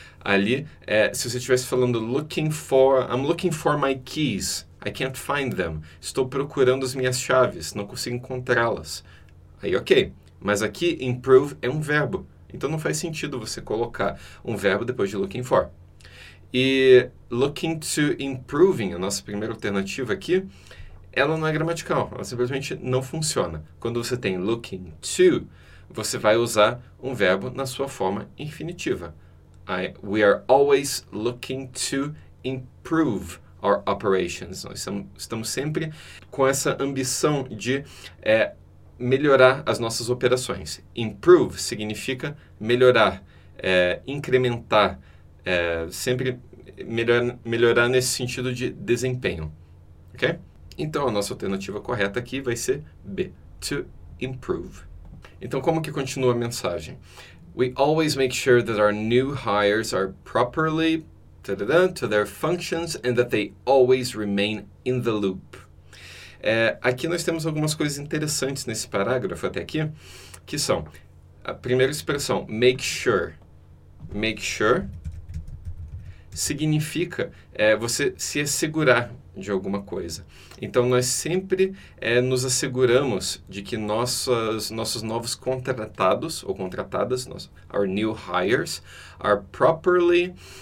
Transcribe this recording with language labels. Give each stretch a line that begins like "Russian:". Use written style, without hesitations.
Portuguese: Ali, se você estivesse falando looking for,
English: I'm looking for my keys, I can't find them,
Portuguese: estou procurando as minhas chaves, não consigo encontrá-las, aí ok, mas aqui improve é um verbo, então não faz sentido você colocar um verbo depois de looking for. E looking to improving, a nossa primeira alternativa aqui, ela não é gramatical, ela simplesmente não funciona. Quando você tem looking to, você vai usar um verbo na sua forma infinitiva.
English: We are always looking to improve our operations.
Portuguese: Nós estamos sempre com essa ambição de melhorar as nossas operações. Improve significa melhorar, incrementar, sempre melhorar nesse sentido de desempenho. Ok? Então, a nossa alternativa correta aqui vai ser B, to improve. Então, como que continua a mensagem?
English: We always make sure that our new hires are properly to their functions and that they always remain in the loop.
Portuguese: Aqui nós temos algumas coisas interessantes nesse parágrafo até aqui, que são a primeira expressão, make sure. Make sure significa você se assegurar de alguma coisa. Então, nós sempre nos asseguramos de que nossos novos contratados ou contratadas,
English: our new hires, are properly...